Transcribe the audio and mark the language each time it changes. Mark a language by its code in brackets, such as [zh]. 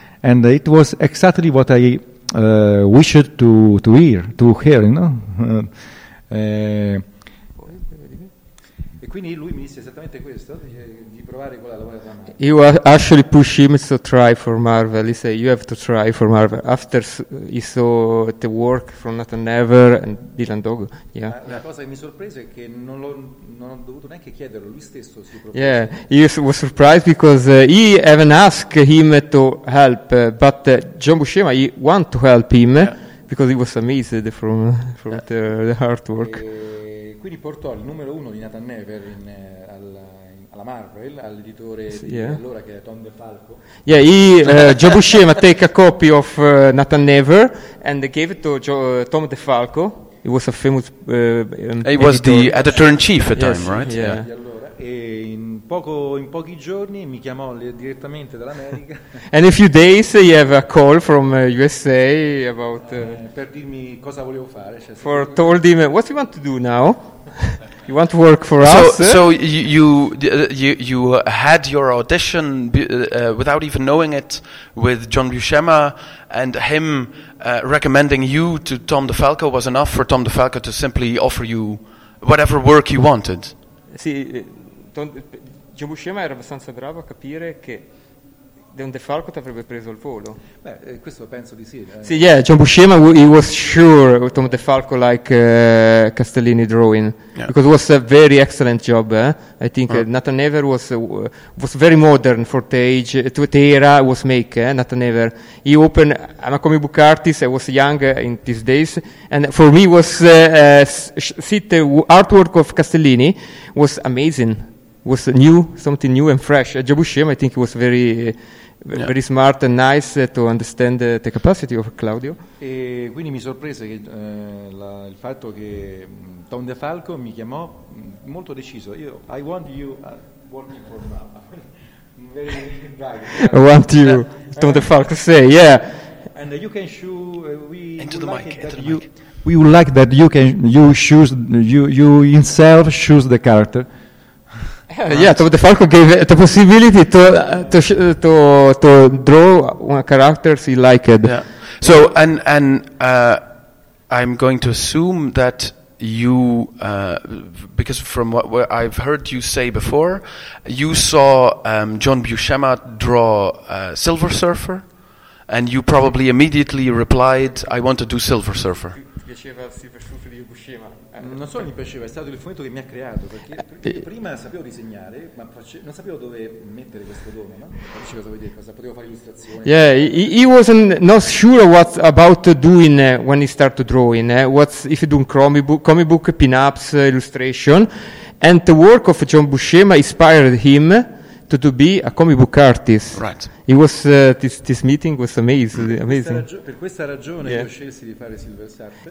[en] And it was exactly what I wished to hear, you know. [it] E quindi lui mi disse esattamente questo, di provare quella lavorata da Marvel. [en] He actually pushed him to try for Marvel. He said, you have to try for Marvel. After he saw the work from Nathan Never and Dylan Dog. Yeah. [it] La cosa che mi sorprese è che non ho dovuto neanche chiederlo, lui stesso si propose. [en] Yeah, he was surprised because he even asked him to help, but John Buscema, he want to help him, yeah, because he was amazed from yeah, the artwork. [it] Quindi portò il numero uno di Nathan Never alla Marvel, all'editore di allora che era Tom DeFalco. [en] Yeah, Joe Buscema take a copy of Nathan Never and gave it to Tom DeFalco. He was a famous He editor. Was the editor-in-chief at the time, right? Yeah. [it] Di allora, e in pochi giorni mi chiamò direttamente dall'America. [en] And in a few days he have a call from USA about [it] per dirmi cosa volevo fare, [en] cioè for told him what you want to do now. You want to work for so, us? So you had your audition without even knowing it with John Buscema, and him recommending you to Tom DeFalco was enough for Tom DeFalco to simply offer you whatever work you wanted. [it] Sì, John Buscema era abbastanza bravo a capire che Don DeFalco ti avrebbe preso il volo. Beh, questo penso di sì. [en] Sì, yeah, John Buscema, he was sure Tom DeFalco like Castellini drawing, yeah, because it was a very excellent job. I think Nathan Never was very modern for the age, to the era it was make. Nathan Never, he opened, I'm a comic book artist, I was young in these days, and for me was the artwork of Castellini was amazing, was new, something new and fresh. John Buscema, I think he was very yeah, very smart and nice to understand the capacity of Claudio. [it] E quindi mi sorprese che il fatto che Tom DeFalco mi chiamò molto deciso. [en] Io I want you working for me. I want you, Tom DeFalco. Say yeah. And you can choose. Into the like mic. Into the you, mic. We would like that you can you choose you yourself choose the character. Yeah, Tom DeFalco gave the possibility to draw one characters he liked. Yeah. So I'm going to assume that you because from what I've heard you say before, you saw John Buscema draw Silver Surfer, and you probably immediately replied, "I want to do Silver Surfer." [it] Non solo mi piaceva, è stato il fumetto che mi ha creato, perché prima sapevo disegnare, ma non sapevo dove mettere questo dono, no? Non sapevo cosa vuol dire, cosa potevo fare illustrazione. [en] Yeah, he wasn't not sure what about doing when he started drawing, what's if you do comic book pin-ups illustration, and the work of John Buscema inspired him to be a comic book artist. Right. It was this meeting was amazing. [it] Per questa ragione io scelsi di fare Silver Surfer.